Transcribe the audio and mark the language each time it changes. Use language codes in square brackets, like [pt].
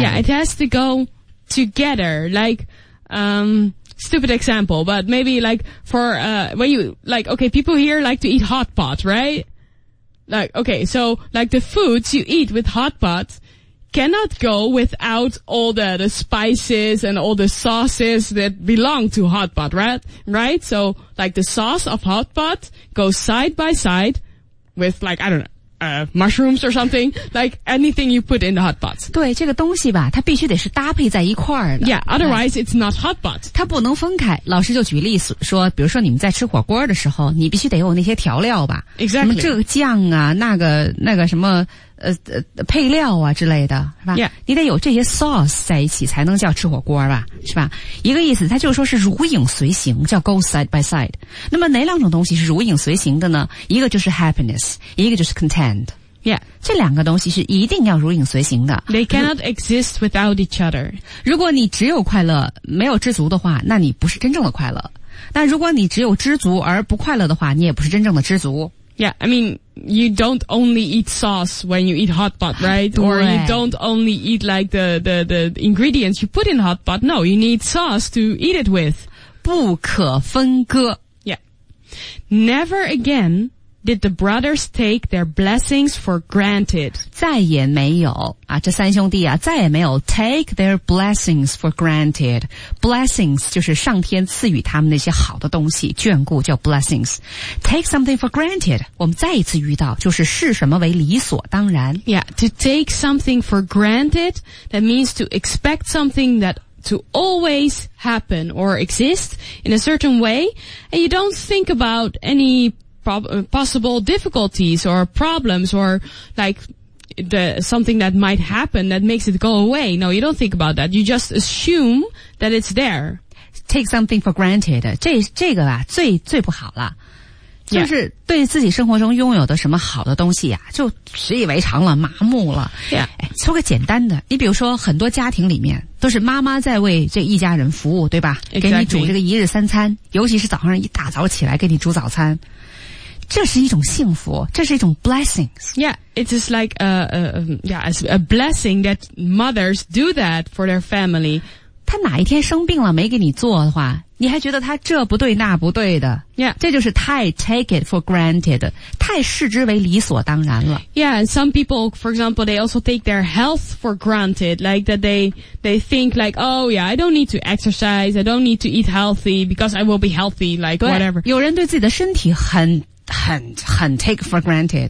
[en] Yeah, it has to go together like stupid example but maybe like for when you like okay people here like to eat hot pot right like okay so like the foods you eat with hot pot cannot go without all the spices and all the sauces that belong to hot pot right so like the sauce of hot pot goes side by sidewith like, I don't know, mushrooms or something, like anything you put in the hot pot. [zh] 对这个东西吧它必须得是搭配在一块儿的。 [en] Yeah, otherwise it's not hot pot. [zh] 它不能分开。老师就举例说比如说你们在吃火锅的时候你必须得有那些调料吧。 [en] Exactly. [zh] 什么这个酱啊那个什么配料啊之类的是吧、 [en] yeah. [zh] 你得有这些 sauce 在一起才能叫吃火锅吧是吧一个意思它就是说是如影随形叫 [en] go side by side [zh] 那么哪两种东西是如影随形的呢一个就是 happiness 一个就是 content、 [en] yeah. [zh] 这两个东西是一定要如影随形的 [en] They cannot exist without each other [zh] 如果你只有快乐没有知足的话那你不是真正的快乐那如果你只有知足而不快乐的话你也不是真正的知足 [en] Yeah, I mean, you don't only eat sauce when you eat hot pot, right? Or you don't only eat like the ingredients you put in hot pot. No, you need sauce to eat it with. [zh] 不可分割. [en] Yeah. Never again did the brothers take their blessings for granted. [zh] 再也没有啊，这三兄弟啊，再也没有 [en] take their blessings for granted. [zh] Blessings 就是上天赐予他们那些好的东西，眷顾叫 blessings. [en] Take something for granted. [zh] 我们再一次遇到，就是视什么为理所当然。 [en] Yeah, to take something for granted, that means to expect something that to always happen or exist in a certain way, and you don't think about any possible difficulties or problems or like the something that might happen that makes it go away. No, you don't think about that. You just assume that it's there. Take something for granted. [zh] 这个吧，最不好了，就是对自己生活中拥有的什么好的东西呀、啊，就习以为常了，麻木了。 [en] Yeah. [zh] 哎，说个简单的，你比如说，很多家庭里面都是妈妈在为这一家人服务，对吧？ [en] Exactly. [zh] 给你煮这个一日三餐，尤其是早上一大早起来给你煮早餐。这是一种幸福，这是一种 blessings. [en] Yeah, it is like a blessing that mothers do that for their family. [zh] 他哪一天生病了没给你做的话，你还觉得他这不对那不对的。 [en] Yeah. [zh] 这就是太 [en] take it for granted, [zh] 太视之为理所当然了。 [en] Yeah, and some people, for example, they also take their health for granted, like that they think like, oh yeah, I don't need to exercise, I don't need to eat healthy because I will be healthy, like whatever. [zh] 有人对自己的身体很 [en] take for granted.